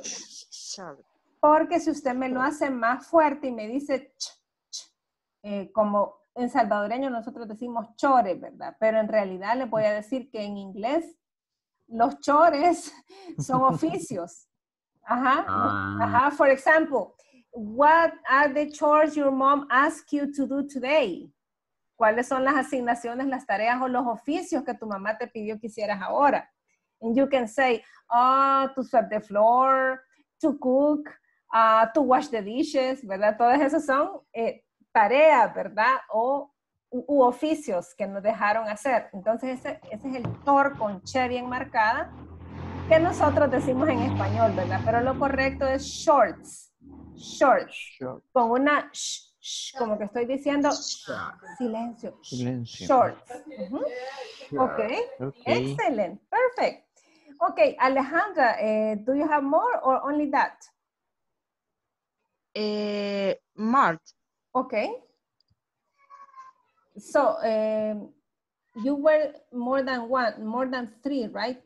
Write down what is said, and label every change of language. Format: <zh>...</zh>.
<es>Shorts. Porque si usted me lo hace más fuerte y me dice ch, ch, como en salvadoreño nosotros decimos chores, ¿verdad? Pero en realidad le voy a decir que en inglés los chores son oficios. Ajá. Ajá.</es> <en>For example, what are the chores your mom asks you to do today?</en> <es>¿Cuáles son las asignaciones, las tareas o los oficios que tu mamá te pidió que hicieras ahora?</es> <en>And you can say, oh, to sweep the floor, to cook, to wash the dishes, ¿verdad?</en> <es>Todas esas son tareas, ¿verdad? O u oficios que nos dejaron hacer. Entonces, ese es el tor con che bien marcada que nosotros decimos en español, ¿verdad? Pero lo correcto es shorts. Shorts. Shorts. Con una sh, sh, como que estoy diciendo sh, silencio. Silencio.</es> <en>Shorts. Uh-huh. Okay. Okay. Excellent. Perfect. Okay, Alejandra, do you have more or only that? March. Okay. So, you were more than one, more than three, right?</en>